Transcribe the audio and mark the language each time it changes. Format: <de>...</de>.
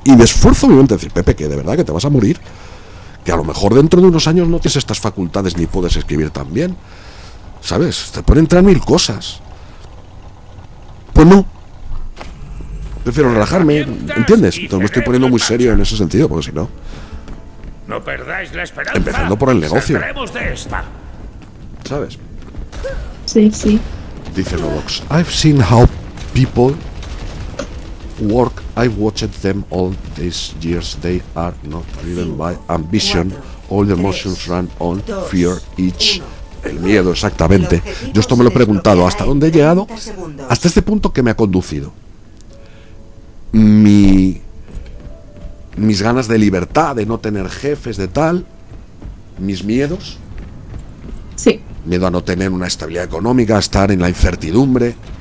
<es>Y me esfuerzo mi mente a decir, Pepe, que de verdad que te vas a morir. Que a lo mejor dentro de unos años no tienes estas facultades ni puedes escribir tan bien. ¿Sabes? Te pueden entrar 1000 cosas. Pues no. Prefiero relajarme, ¿entiendes? Entonces me estoy poniendo muy serio en ese sentido, porque si no... No perdáis la esperanza. Empezando por el negocio. Saldremos de esta. ¿Sabes? Sí, sí.</es> <en>Dice Rodox, I've seen how people work, I've watched them all these years, they are not driven by ambition, all the emotions run on fear each...</en> <es>El miedo, exactamente. Yo esto me lo he preguntado, ¿hasta dónde he llegado? Hasta este punto que me ha conducido. Mis ganas de libertad, de no tener jefes, de tal. Mis miedos. Sí. Miedo a no tener una estabilidad económica, a estar en la incertidumbre.</es>